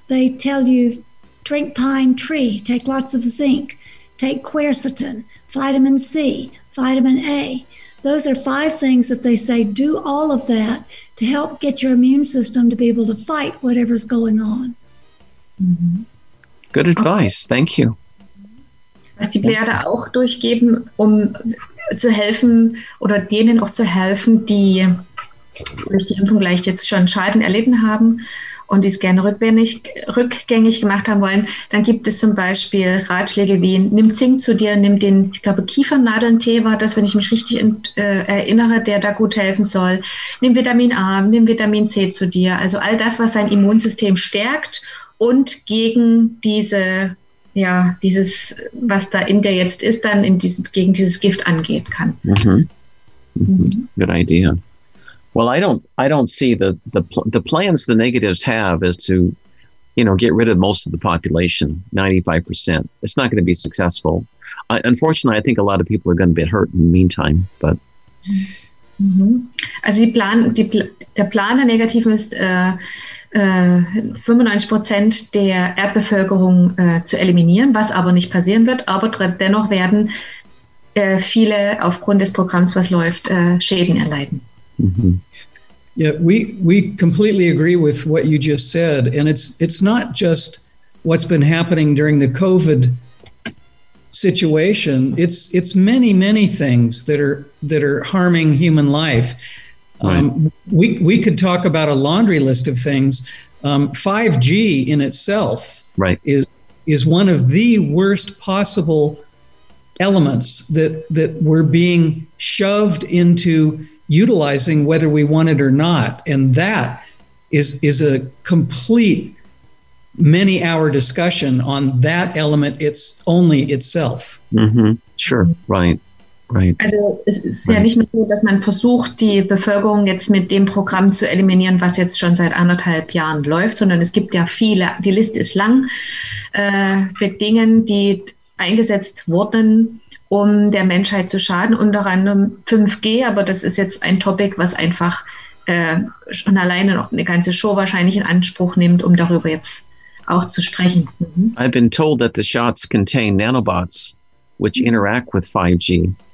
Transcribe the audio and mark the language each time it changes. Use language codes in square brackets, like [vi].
[en] They tell you, drink pine tree, take lots of zinc, take quercetin, vitamin C, vitamin A. Those are five things that they say, do all of that to help get your immune system to be able to fight whatever's going on. Good advice, thank you. [de] Was die Pleiade auch durchgeben, um zu helfen oder denen auch zu helfen, die durch die Impfung vielleicht jetzt schon Schaden erlitten haben und die es gerne rückgängig gemacht haben wollen, dann gibt es zum Beispiel Ratschläge wie, nimm Zink zu dir, nimm den, ich glaube, Kiefernadelntee war das, wenn ich mich richtig erinnere, der da gut helfen soll. Nimm Vitamin A, nimm Vitamin C zu dir. Also all das, was dein Immunsystem stärkt und gegen dieses, was da in dir jetzt ist, dann gegen dieses Gift angehen kann. [en] Good idea. Well, I don't see the plans the negatives have is to, you know, get rid of most of the population, 95%. It's not going to be successful. Unfortunately, I think a lot of people are going to be hurt in the meantime, but. [de] Also der Plan der Negativen ist, 95% der Erdbevölkerung zu eliminieren, was aber nicht passieren wird, aber dennoch werden viele aufgrund des Programms, was läuft, Schäden erleiden. Mm-hmm. [en] Yeah, we completely agree with what you just said, and it's not just what's been happening during the COVID situation. It's many, many things that are harming human life. Right. We could talk about a laundry list of things. 5G in itself is one of the worst possible elements that we're being shoved into utilizing whether we want it or not. And that is a complete many hour discussion on that element. It's only itself. Sure. Right. [de] Also es ist ja nicht nur so, dass man versucht, die Bevölkerung jetzt mit dem Programm zu eliminieren, was jetzt schon seit anderthalb Jahren läuft, sondern es gibt ja viele, die Liste ist lang, mit Dingen, die eingesetzt wurden, um der Menschheit zu schaden, unter anderem 5G, aber das ist jetzt ein Topic, was einfach schon alleine noch eine ganze Show wahrscheinlich in Anspruch nimmt, um darüber jetzt auch zu sprechen. [en] I've been told that the shots contain nanobots, which interact with 5G.